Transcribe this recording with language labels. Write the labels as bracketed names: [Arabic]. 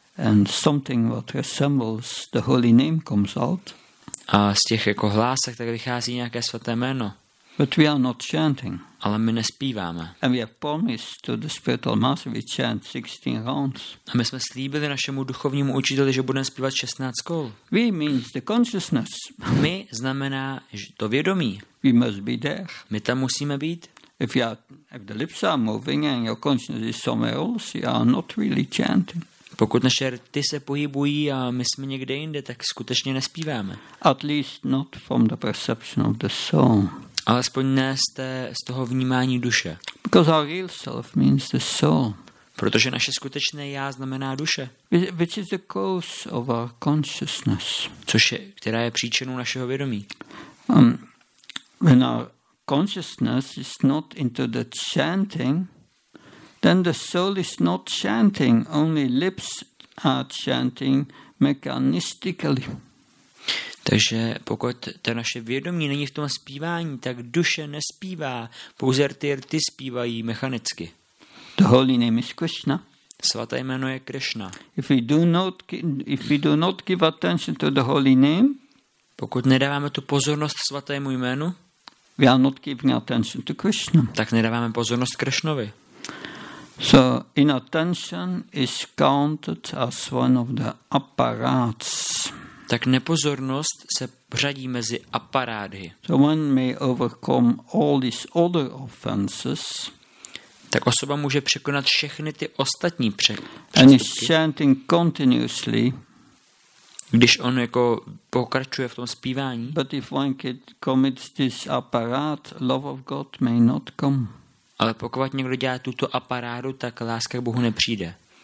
[English] And something what resembles the holy name comes out. [Czech] A z těch jako hlásek tak vychází nějaké svaté jméno. [English] But we are not chanting. [Czech] Ale my nespíváme. [English] And we have promised to the spiritual master we chant 16 rounds. [Czech] A my jsme slíbili našemu duchovnímu učiteli, že budeme zpívat 16 kol. [English] We means the consciousness. [Czech] My znamená to vědomí. [English] We must be there. [Czech] My tam musíme být. [English] If the lips are moving and your consciousness is somewhere else, you are not really chanting. [Czech] Pokud naše rty se pohybují a my jsme někde jinde, tak skutečně nespíváme. [English] At least not from the perception of the soul. [Czech] Alespoň ne z toho vnímání duše. [English] Because our real self means the soul. [Czech] Protože naše skutečné já znamená duše. [English] Which is the cause of our consciousness. [Czech] Která je příčinou našeho vědomí. [English] When our consciousness is not into the chanting, then the soul is not chanting, only lips are chanting mechanistically. [Czech] Takže pokud to naše vědomí není v tom zpívání, tak duše nespívá, pouze rty zpívají mechanicky. [English] The holy name is Krishna. [Czech] Svaté jméno je Krishna. [English] If we do not give attention to the holy name, [Czech] pokud nedáváme tu pozornost svatému jménu, [English] we are not giving attention to Krishna. [Czech] Tak nedáváme pozornost Krishnovi. [English] So inattention is counted as one of the apparats. [Czech] Tak nepozornost se řadí mezi aparády. [English] So one may overcome all these other offenses. [Czech] Tak osoba může překonat všechny ty ostatní přestupky. [English] And is chanting continuously. [Czech] Když on jako pokračuje v tom zpívání. [English] But if one commits this apparat, love of God may not come. [Czech] Ale pokud někdo dělá tuto aparádu, tak láska k Bohu nepřijde.